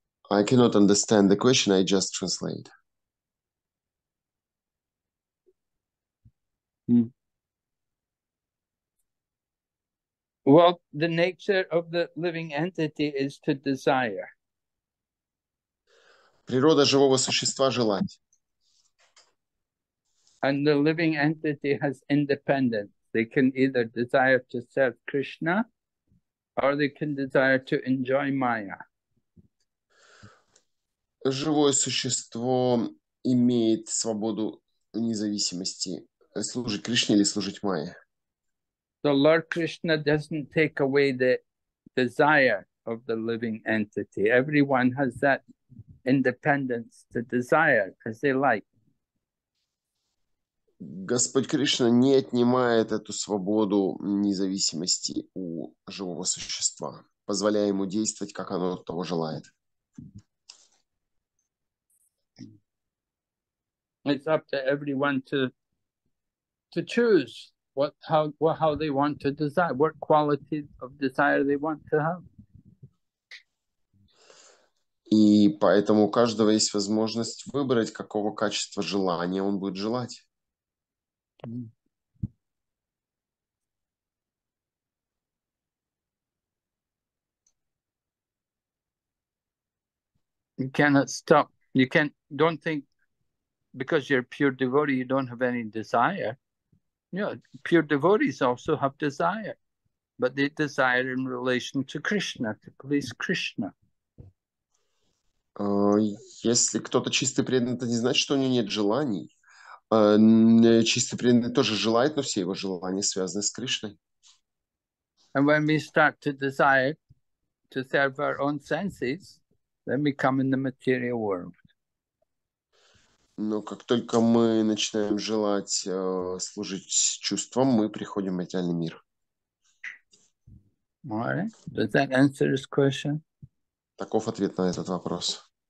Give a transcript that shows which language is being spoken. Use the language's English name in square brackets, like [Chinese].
[English] I cannot understand the question, I just translate. Well, the nature of the living entity is to desire. [Russian] Природа живого существа желать. [English] And the living entity has independence. They can either desire to serve Krishna or they can desire to enjoy Maya. [Russian] Живое существо имеет свободу независимости служить Кришне или служить Майе. [English] The Lord Krishna doesn't take away the desire of the living entity. Everyone has that independence to desire as they like. [Russian] Господь Кришна не отнимает эту свободу независимости у живого существа, позволяя ему действовать, как оно того желает. [English] It's up to everyone to choose how they want to desire, what quality of desire they want to have. [Russian] И поэтому у каждого есть возможность выбрать, какого качества желания он будет желать. [English] You cannot stop. You can't, don't think because you're a pure devotee, you don't have any desire. Yeah, pure devotees also have desire, but they desire in relation to Krishna, to please Krishna. [Russian] Если кто-то чистый преданный, это не значит, что у него нет желаний. Чистый преданный тоже желает, но все его желания связаны с Кришной. [English] And when we start to desire to serve our own senses, then we come in the material world. [Russian] Но как только мы начинаем желать служить чувствам, мы приходим в материальный мир. [English] Alright. Does that answer this question? [Russian] Таков ответ на этот вопрос.